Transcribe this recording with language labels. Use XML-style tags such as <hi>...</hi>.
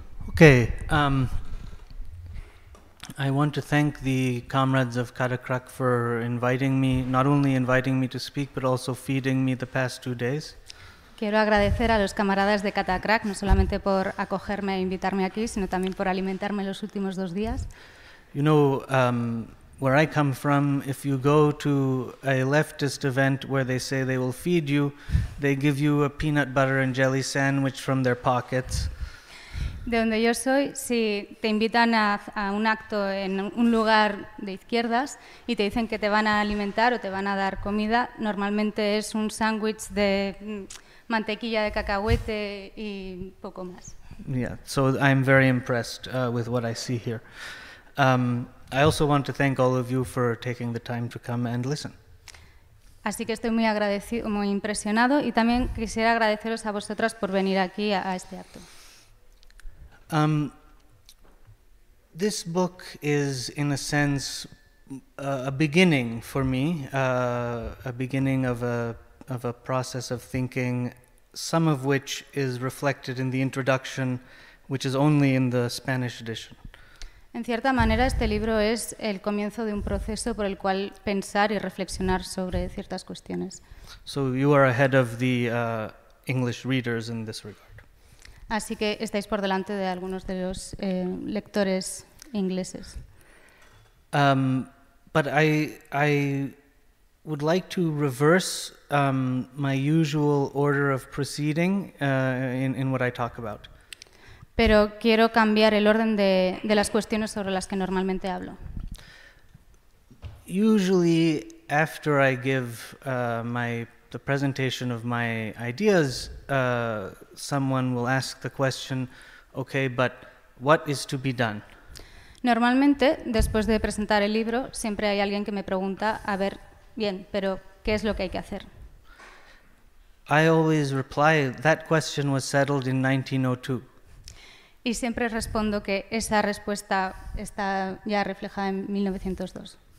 <en>Okay, I want to thank the comrades of Karakrak for inviting me, not only inviting me to speak, but also feeding me the past 2 days.</en> <es>Quiero agradecer a los camaradas de Katakrak, no solamente por acogerme e invitarme aquí, sino también por alimentarme los últimos 2 días.</es> <en>You know, where I come from, if you go to a leftist event where they say they will feed you, they give you a peanut butter and jelly sandwich from their pockets.</en> <es>De donde yo soy, si te invitan a un acto en un lugar de izquierdas y te dicen que te van a alimentar o te van a dar comida, normalmente es un sándwich de mantequilla de cacahuete y poco más.</es> <en>Yeah, so I'm very impressed with what I see here. I also want to thank all of you for taking the time to come and listen.</en> <es>Así que estoy muy agradecido, muy impresionado, y también quisiera agradeceros a vosotras por venir aquí a este acto.</es> <en>This book is, in a sense, a beginning for me, a beginning of a process of thinking, some of which is reflected in the introduction, which is only in the Spanish edition.</en> <es>En cierta manera, este libro es el comienzo de un proceso por el cual pensar y reflexionar sobre ciertas cuestiones.</es> <en>So you are ahead of the English readers in this regard.</en> <es>Así que estáis por delante de algunos de los lectores ingleses.</es> <en>But I would like to reverse my usual order of proceeding in what I talk about.</en> <es>Pero quiero cambiar el orden de las cuestiones sobre las que normalmente hablo.</es> <en>Usually, after I give the presentation of my ideas, someone will ask the question, okay, but what is to be done?</en> <es>Normalmente, después de presentar el libro, siempre hay alguien que me pregunta, a ver, bien, pero ¿qué es lo que hay que hacer?</es> <en>I always reply, that question was settled in 1902.</en> <es>Y siempre respondo que esa respuesta está ya reflejada en 1902.</es>